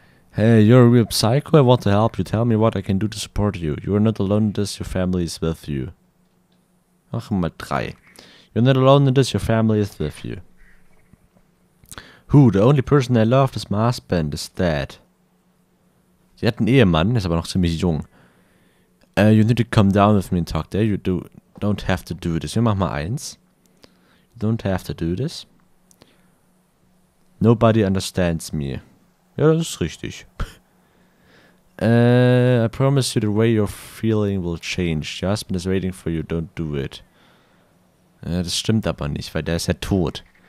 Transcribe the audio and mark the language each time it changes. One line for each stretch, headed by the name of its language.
English: Hey, you're a real psycho. I want to help you. Tell me what I can do to support you. You're not alone in this. Your family is with you.
German: Machen wir mal 3.
English: You're not alone in this. Your family is with you. Who? The only person I love is my husband. Is dead.
German: Sie hat einen Ehemann, ist aber noch ziemlich jung.
English: You need to come down with me and talk there. You don't have to do this.
German: Wir machen mal 1.
English: You don't have to do this. Nobody understands me.
German: Ja, das ist richtig.
English: I promise you the way you're feeling will change. Your husband is waiting for you. Don't do it.
German: Das stimmt aber nicht, weil der ist ja tot.